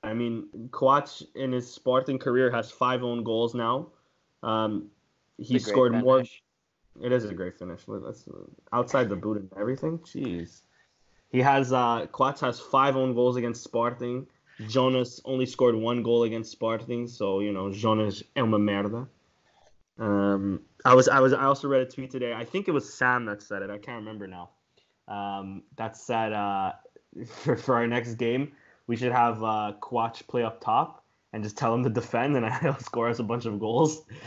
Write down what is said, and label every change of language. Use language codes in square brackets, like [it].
[en] I mean, Kovac in his Sporting career has 5 own goals now. He scored more. It is a great finish. That's outside the boot and everything. Jeez. He has, Kovac has 5 own goals against Sporting. Jonas only scored 1 goal against Sporting. So, you know, [pt] Jonas é uma merda. [en] I also read a tweet today. I think it was Sam that said it. I can't remember now. That said, for our next game, we should have Kovac play up top and just tell him to defend and he'll score us a bunch of goals.